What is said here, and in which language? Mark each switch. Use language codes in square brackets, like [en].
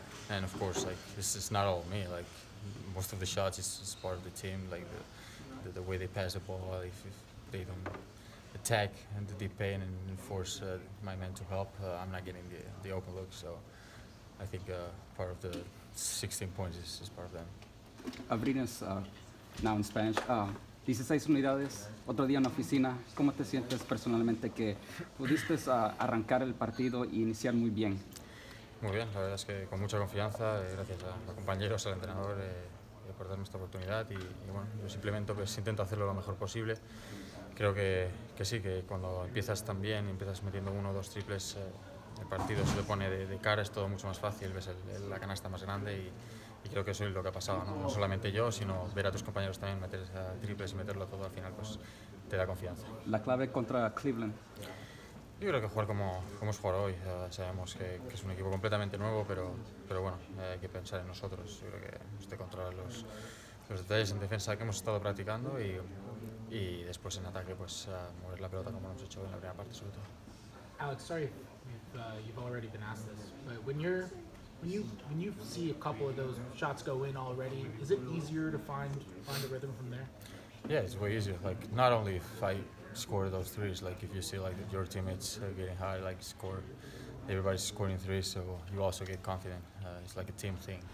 [en] And of course, like, this is not all me. Like, most of the shots is part of the team. Like, the way they pass the ball, if they don't attack and the deep paint and force my men to help, I'm not getting the open look. So I think part of the 16 points is part of them. [es] Abrines, [en] now in Spanish, [es] 16 unidades, otro día en la oficina. ¿Cómo te sientes personalmente que pudiste arrancar el partido y iniciar muy bien? Muy bien, la verdad es que con mucha confianza, gracias a los compañeros, al entrenador, por darme esta oportunidad. Y bueno, yo simplemente pues, intento hacerlo lo mejor posible. Creo que sí, que cuando empiezas tan bien, empiezas metiendo uno o dos triples, el partido se te pone de cara, es todo mucho más fácil, ves la canasta más grande y creo que eso es lo que ha pasado, ¿no? No solamente yo, sino ver a tus compañeros también meter triples y meterlo todo al final, pues te da confianza. ¿La clave contra Cleveland? Yo creo que jugar como es jugar hoy. Sabemos que es un equipo completamente nuevo, pero bueno, hay que pensar en nosotros. Yo creo que hemos de controlar los detalles en defensa que hemos estado practicando y después en ataque, pues mover la pelota como hemos hecho en la primera parte, sobre todo. [en] Alex, sorry if you've already been asked this, but when you see a couple of those shots go in already, is it easier to find a rhythm from there? Yeah, it's way easier. Like, not only if I score those threes, like if you see like your teammates getting high, like everybody's scoring threes, so you also get confident. It's like a team thing.